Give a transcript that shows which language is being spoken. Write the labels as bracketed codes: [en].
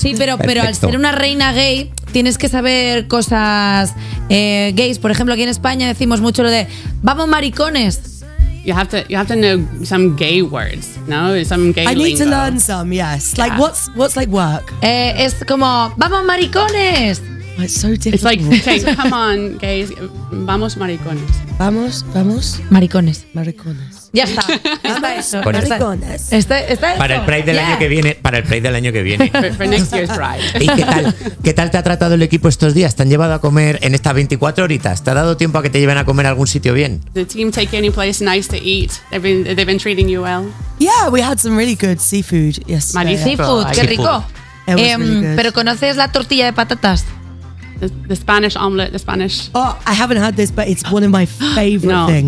[es] Sí, pero al ser una reina gay, tienes que saber cosas gays. Por ejemplo, aquí en España decimos mucho lo de vamos maricones. [en] You have to know some gay words, no? Some gay lingo. I need lingo. To learn some. Yes. Yeah. Like what's like work? [es] Es como vamos maricones. [en] It's so difficult. It's like, okay, come on, guys. [es] Vamos, maricones. Vamos, vamos. Maricones. Maricones. Ya está. Está eso. Maricones. Está eso. Para el Pride del año que viene. Para el Pride del año que viene. [en] For next year's Pride. [es] ¿Y qué tal te ha tratado el equipo estos días? ¿Te han llevado a comer en estas 24 horitas? ¿Te ha dado tiempo a que te lleven a comer a algún sitio bien? [en] The team take any place nice to eat. They've been treating you well. Yeah, we had some really good seafood. Yes. [es] Marisco. Seafood, qué rico. [en] Really, [es] pero ¿conoces la tortilla de patatas? [en] The Spanish omelette, the Spanish. Oh, I haven't had this, but it's one of my favorite [es] no, [en] things.